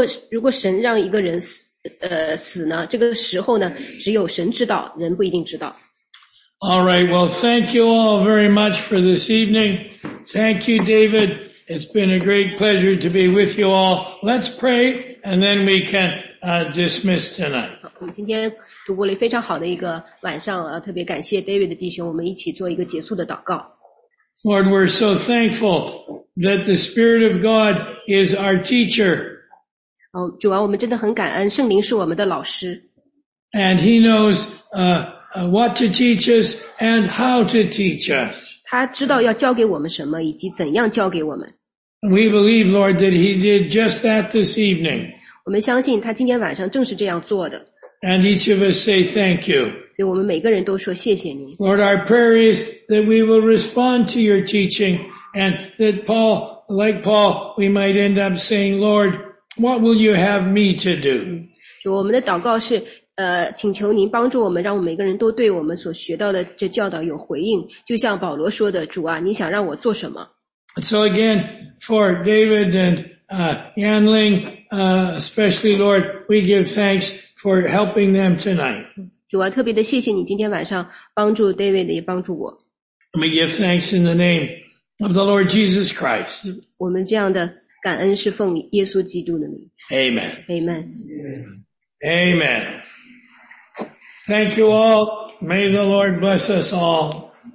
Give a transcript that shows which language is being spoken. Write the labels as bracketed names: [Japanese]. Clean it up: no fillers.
[Chinese] 如果神让一个人死呢，这个时候呢，只有神知道，人不一定知道。 [English] All right. Well, thank you all very much for this evening. Thank you, David. It's been a great pleasure to be with you all. Let's pray, and then we can dismiss tonight. [Chinese] 我们今天度过了非常好的一个晚上，特别感谢 David 的弟兄，我们一起做一个结束的祷告。 [English] Lord, we're so thankful that the Spirit of God is our teacher. [Chinese] 哦，主啊，我们真的很感恩，圣灵是我们的老师。 [English] And he knows, what to teach us and how to teach us. [Chinese] 他知道要教给我们什么，以及怎样教给我们。 [English] We believe, Lord, that he did just that this evening. [Chinese] 我们相信他今天晚上正是这样做的。 [English] And each of us say thank you. [Chinese] 对，我们每个人都说谢谢您。 [English] Lord, our prayer is that we will respond to your teaching and that Paul, like Paul, we might end up saying, Lord, what will you have me to do? [Chinese] 就我们的祷告是请求您帮助我们，让我们每个人都对我们所学到的这教导有回应，就像保罗说的，主啊，你想让我做什么。 [English] So again, for David and Yanling, especially Lord, we give thanks for helping them tonight. [Chinese] 主啊，特别的谢谢你今天晚上帮助 David 也帮助我。 [English] We give thanks in the name of the Lord Jesus Christ. [Chinese] 我们这样的感恩是奉耶稣基督的名。 [English] Amen. Amen. Amen. Thank you all. May the Lord bless us all.